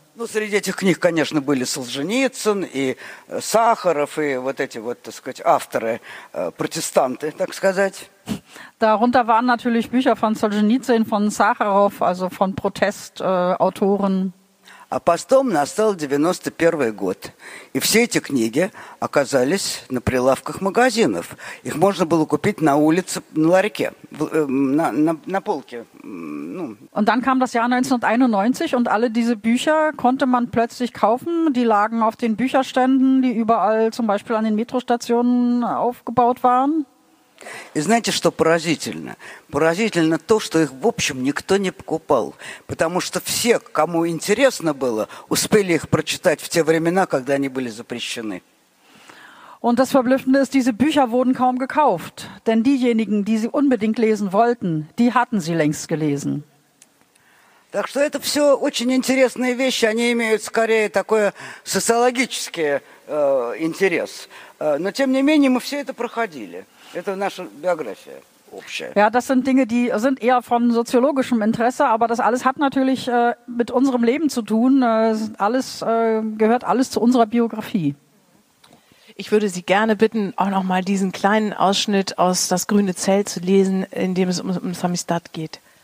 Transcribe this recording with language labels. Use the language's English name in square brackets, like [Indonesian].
[Russian] Ну, среди этих книг, конечно, были Солженицын и Сахаров, и вот эти вот, так сказать, авторы, протестанты, так сказать. [German] Darunter waren natürlich Bücher von Солженицын, von Сахаров, also von Protestautoren. [Russian] А потом настал 91-й год, и все эти книги оказались на прилавках магазинов. Их можно было купить на улице, на ларьке, на полке. Ну. [German] Und dann kam das Jahr 1991 und alle diese Bücher konnte man plötzlich kaufen. Die lagen auf den Bücherständen, die überall zum Beispiel an den Metrostationen aufgebaut waren. [Russian] И знаете, что поразительно? Поразительно то, что их, в общем, никто не покупал. Потому что все, кому интересно было, успели их прочитать в те времена, когда они были запрещены. [German] Und das Verblüffende ist, diese Bücher wurden kaum gekauft. Denn diejenigen, die sie unbedingt lesen wollten, die hatten sie längst gelesen. [Russian] Так что это все очень интересные вещи. Они имеют скорее такой социологический интерес. Но тем не менее, мы все это проходили. Это наша биография общая. [German] Ja, das sind Dinge, die sind eher von soziologischem Interesse, aber das alles hat natürlich mit unserem Leben zu tun. Alles gehört alles zu unserer Biografie. Ich würde Sie gerne bitten, auch noch mal diesen kleinen Ausschnitt aus Das grüne Zelt zu lesen, in dem es um Samizdat geht.